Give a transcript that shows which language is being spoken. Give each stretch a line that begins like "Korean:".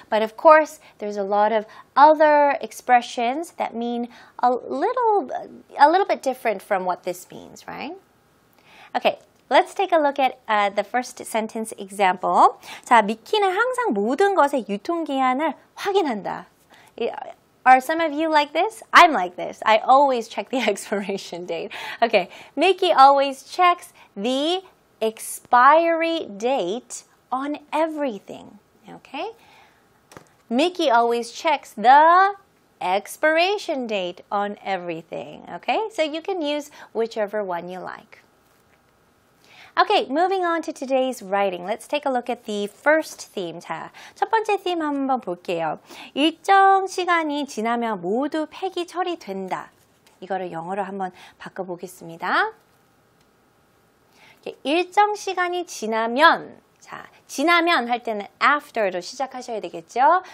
English: But of course, there's a lot of other expressions that mean a little bit different from what this means, right? Okay, let's take a look at the first sentence example.
Korean: 자, 미키는 항상 모든 것의 유통기한을 확인한다.
English: Are some of you like this? I'm like this. I always check the expiration date. Okay, Mickey always checks the expiry date on everything. Okay, Mickey always checks the expiration date on everything. Okay, so you can use whichever one you like. Okay, moving on to today's writing. Let's take a look at the first theme.
Korean: 자, 첫 번째 theme 한번 볼게요. 일정 시간이 지나면 모두 폐기 처리된다. 이거를 영어로 한번 바꿔보겠습니다. 일정 시간이 지나면, 자, 지나면 할 때는 after로 시작하셔야 되겠죠?